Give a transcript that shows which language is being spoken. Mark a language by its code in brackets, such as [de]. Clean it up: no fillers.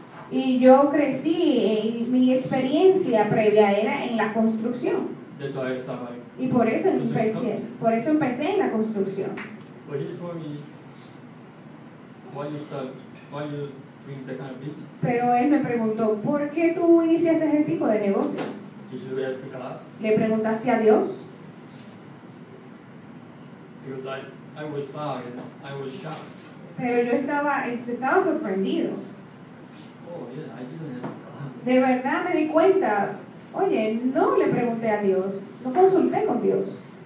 [es] Y yo crecí y mi experiencia previa era en la construcción. [en] That's why I started my [es] por eso empecé en la construcción. [en] But he told me why you doing that kind of business. [es] Pero él me preguntó, ¿por qué tú iniciaste ese tipo de negocio? [en] Did you ask God? [es] ¿Le preguntaste a Dios? [en] Because I was sorry and I was shocked. [es] Pero yo estaba sorprendido. [en] Oh, yeah, I didn't ask God. [es] De verdad me di cuenta. Oye, no le pregunté a Dios, no consulté con Dios.